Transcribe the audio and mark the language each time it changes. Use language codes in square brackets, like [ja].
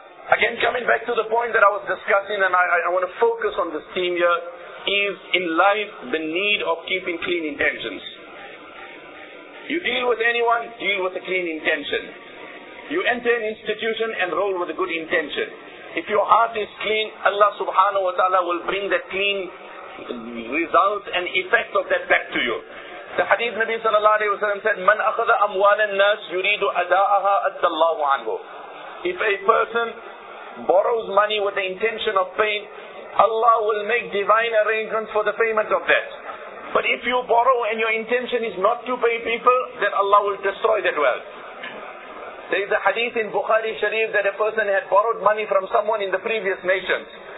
[en] Again, coming back to the point that I was discussing, and I want to focus on this theme here, is in life the need of keeping clean intentions. You deal with anyone, deal with a clean intention. You enter an institution, enroll with a good intention. If your heart is clean, Allah subhanahu wa ta'ala will bring the clean result and effect of that back to you. The hadith Nabi sallallahu alayhi wa sallam said, [ar] مَنْ أَخَذَ أَمْوَالَ النَّاسِ يُرِيدُ أَدَاءَهَا أَدَّ اللَّهُ عَنْهُ. [en] If a person borrows money with the intention of paying, Allah will make divine arrangements for the payment of that. But if you borrow and your intention is not to pay people, then Allah will destroy that wealth. There is a hadith in Bukhari Sharif that a person had borrowed money from someone in the previous nations.